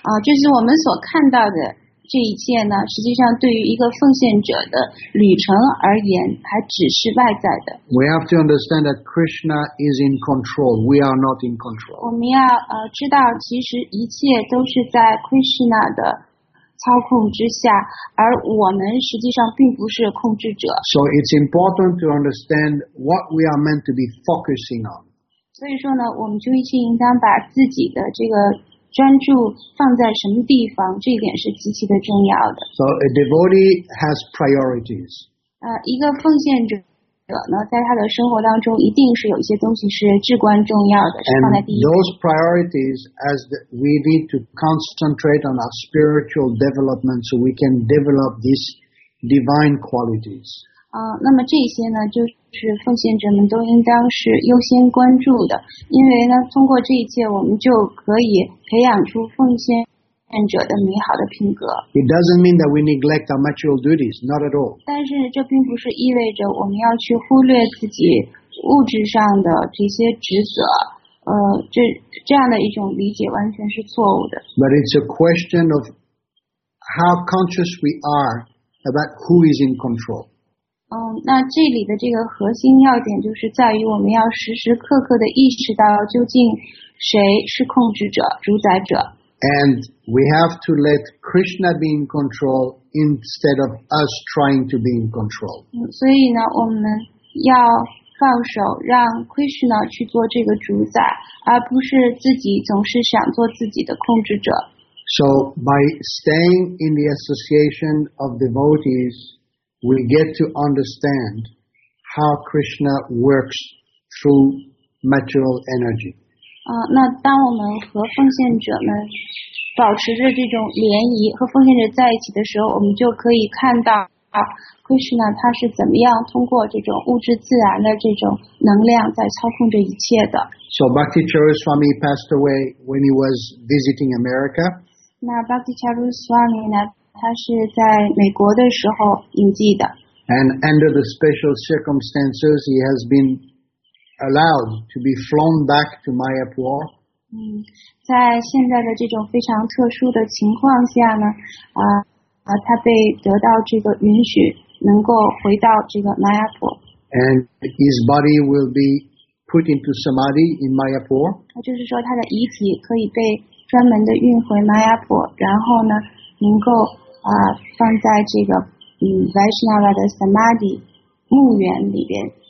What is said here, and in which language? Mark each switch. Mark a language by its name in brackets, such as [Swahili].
[Chinese] 就是我们所看到的这一切呢，实际上对于一个奉献者的旅程而言，还只是外在的。 [English] We have to understand that Krishna is in control. We are not in control. [Chinese] 我们要知道，其实一切都是在 Krishna 的操控之下，而我们实际上并不是控制者。 [English] So it's important to understand what we are meant to be focusing on. [Chinese] 所以说呢，我们就一切应当把自己的这个专注放在什么地方，这一点是极其的重要的。 [English] So a devotee has priorities. [Chinese] 一个奉献者呢，在他的生活当中，一定是有一些东西是至关重要的，是放在第一位。 [English] And those priorities, as we need to concentrate on our spiritual development, so we can develop these divine qualities. [Chinese] 那么这些呢，就是奉献者们都应当是优先关注的，因为呢，通过这一切，我们就可以培养出奉献者的美好的品格。 [English] It doesn't mean that we neglect our material duties, not at all. [Chinese] 但是这并不是意味着我们要去忽略自己物质上的这些职责，这样的一种理解完全是错误的。 [English] But it's a question of how conscious we are about who is in control. [Chinese] 那这里的这个核心要点就是在于我们要时时刻刻的意识到究竟谁是控制者、主宰者。 [English] And we have to let Krishna be in control instead of us trying to be in control. [Chinese] 所以呢，我们要放手让 Krishna 去做这个主宰，而不是自己总是想做自己的控制者。 [English] So by staying in the association of devotees, we get to understand how Krishna works through material energy. [Chinese] 那当我们和奉献者们保持着这种联谊，和奉献者在一起的时候，我们就可以看到Krishna 他是怎么样通过这种物质自然的这种能量在操控着一切的。 [English] So Bhakti Chaturaswami passed away when he was visiting America. [Chinese] 那 Bhakti Chaturaswami 呢，他是在美国的时候隐疾的。 [English] And under the special circumstances, he has been allowed to be flown back to Mayapur. [Chinese] 在现在的这种非常特殊的情况下呢，他被得到这个允许，能够回到这个 Mayapur。 [English] And his body will be put into samadhi in Mayapur. [Chinese] 就是说，他的遗体可以被专门的运回 Mayapur， 然后呢，能够放在这个Vaishnava 的 samadhi 墓园里边。